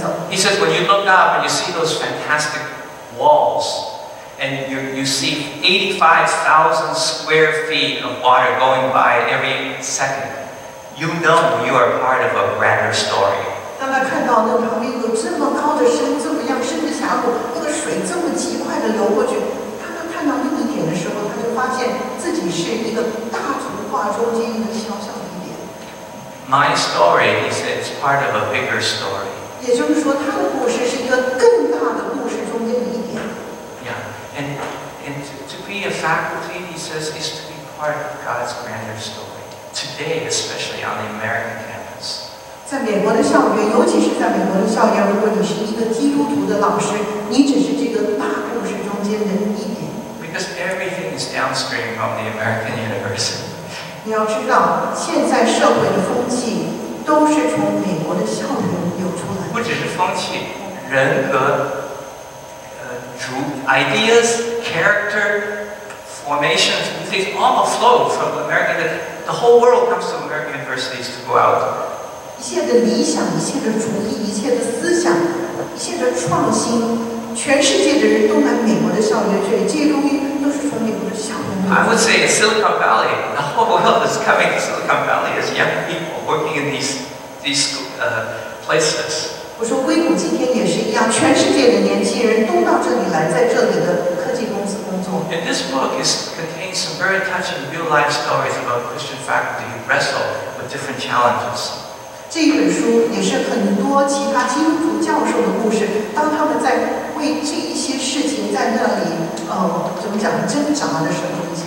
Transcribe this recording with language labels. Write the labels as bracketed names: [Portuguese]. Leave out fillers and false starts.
[English] He says, when you look up and you see those fantastic walls, and you see 85,000 square feet of water going by every second, you know you are part of a grander story. [Chinese] 当他看到那旁边有这么高的山，这么样深的峡谷，那个水这么极快的流过去，当他看到那一点的时候，他就发现自己是一个大图画中间一个小小。 [English] My story, he said, is part of a bigger story. [Chinese] 也就是说，他的故事是一个更大的故事中间的一点。 [English] Yeah, and to be a faculty, he says, is to be part of God's grander story. Today, especially on the American campus. [Chinese] 在美国的校园，尤其是在美国的校园，如果你是一个基督徒的老师，你只是这个大故事中间的一点。 [English] Because everything is downstream from the American university. [Chinese] 你要知道，现在社会的风气都是从美国的校园流出来的。不只是风气，人格、 [English] ideas, character, formations, these all flow from America. The whole world comes to American universities to go out. [Chinese] 一切的理想、一切的主义、一切的思想、一切的创新，全世界的人都来美国的校园去，这些东西都是从美国的校园。 [English] I would say it's Silicon Valley. The whole world is coming to Silicon Valley as young people working in these places. [Chinese] 我说硅谷今天也是一样，全世界的年轻人都到这里来，在这里的科技公司工作。 [English] And this book contains some very touching real life stories about Christian faculty who wrestle with different challenges. [Chinese] 这一本书也是很多其他基督徒教授的故事，当他们在为这一些事情在那里怎么讲挣扎的时候。